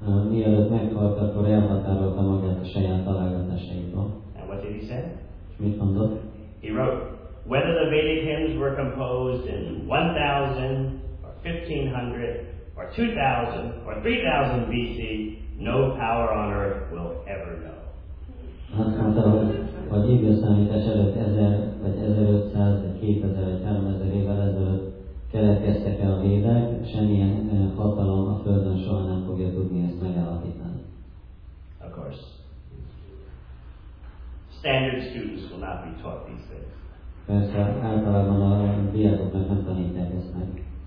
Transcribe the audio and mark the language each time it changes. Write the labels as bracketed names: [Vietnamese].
[Hungarian] Mielőtt meghalt, akkor elhatárolta magát a saját találgatásaitól. [English] And what did he say? [Hungarian] És mit mondott? [English] He wrote, whether the Vedic hymns were composed in 1000 or 1500 or 2000 or 3000 BC, no power on earth will ever know. [Hungarian] Azt mondta, hogy időszámítás előtt 1000 vagy 1500 vagy 2000 vagy 3000 évvel ezelőtt keletkeztek el a védek, semmilyen hatalom a Földön soha nem fogja tudni ezt megállapítani. [English] Of course, standard students will not be taught these things. [Hungarian] Persze, általában a diákoknak nem tanítják ezt meg.